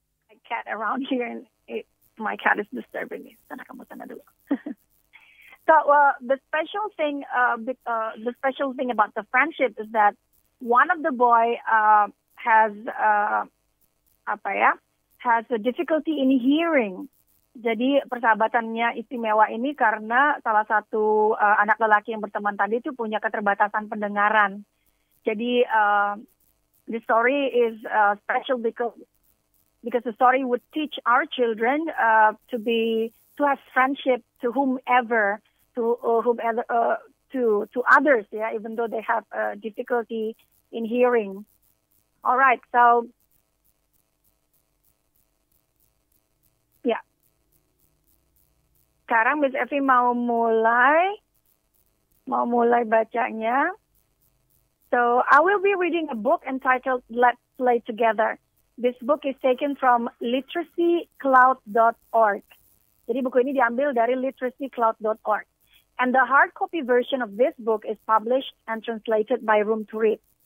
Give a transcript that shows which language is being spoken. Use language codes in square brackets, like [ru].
[en] My cat around here and my cat is disturbing me. [id] Tenang kamu, tenang dulu. [en] So the special thing about the friendship is that one of the boy has a difficulty in hearing. [id] Jadi persahabatannya istimewa ini karena salah satu anak lelaki yang berteman tadi itu punya keterbatasan pendengaran. Jadi [en] the story is special because the story would teach our children to have friendship to whomever. To others, yeah, even though they have a difficulty in hearing. All right, so yeah. [id] Sekarang Miss Effy mau mulai bacanya. [en] So I will be reading a book entitled Let's Play Together. This book is taken from literacycloud.org. [id] Jadi buku ini diambil dari literacycloud.org. [en] And the hard copy version of this book is published and translated by Room to Read.